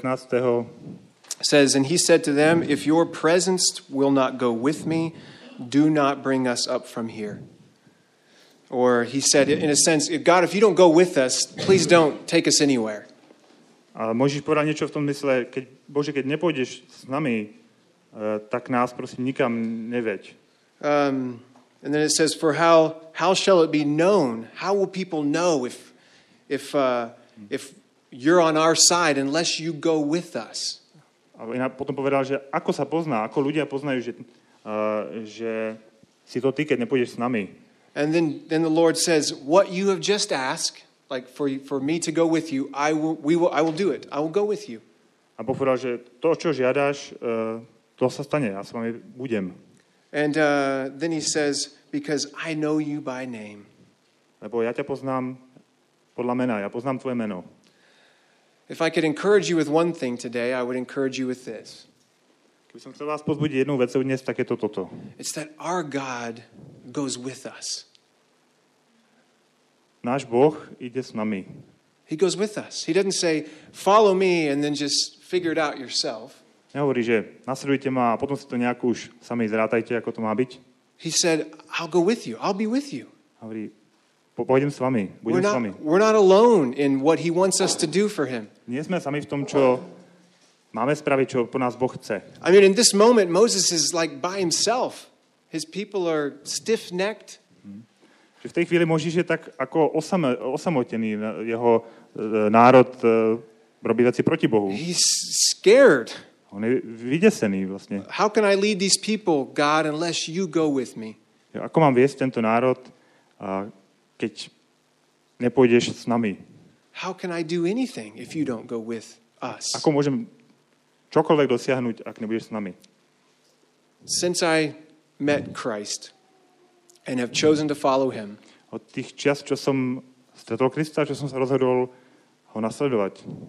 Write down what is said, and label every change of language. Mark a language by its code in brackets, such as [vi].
[en] Verse 15 says, and he said to them, if your presence will not go with me, do not bring us up from here. Or he said, in a sense, God, if you don't go with us, please don't take us anywhere. [sk] Môžeš povedať niečo v tom mysle, Bože, keď nepôjdeš s nami, tak nás prosím nikam neveď. [en] And then it says, for how shall it be known? How will people know if you're on our side unless you go with us. [sk] A potom povedal, že ako sa pozná, ako ľudia poznajú, že si to ty, keď nepôjdeš s nami. [en] And then the Lord says, what you have just asked, like for me to go with you, I will do it. I will go with you. [sk] A Boh povedal, že to, čo žiadaš, to sa stane, ja s vami budem. [en] And then he says, because I know you by name. [sk] Lebo ja ťa poznám podľa mena, ja poznám tvoje meno. [en] If I could encourage you with one thing today, I would encourage you with this. [sk] Keby som chcel vás pozbudiť jednou vecou dnes, tak je to toto. [en] It's that our God goes with us. [sk] Náš Boh ide s nami. [en] He goes with us. He doesn't say, follow me and then just figure it out yourself. [sk] Nehovorí, že nasledujte ma a potom si to nejak už sami zrátajte, ako to má byť. [en] He said, I'll go with you. I'll be with you. [sk] Hovorí, pôjdem s vami, budem s vami. [en] We're not alone in what he wants us to do for him. [sk] Nie sme sami v tom, čo máme spraviť, čo po nás Boh chce. [en] I mean, in this moment, Moses is like by himself. His people are stiff-necked. [sk] V tej chvíli Mojžiš je tak ako osamotený. Jeho národ robí veci proti Bohu. [en] He's scared. [sk] On je vydesený vlastne. [en] How can I lead these people, God, unless you go with me? [sk] Ako mám viesť tento národ, keď nepôjdeš s nami? [en] How can I do anything if you don't go with us? [sk] Ako môžem čokoľvek dosiahnuť, ak nebudeš s nami? [en] Since I met Christ and have chosen to follow him. [sk] Od tých čas, čo som stretol Krista, čo som sa rozhodol ho nasledovať.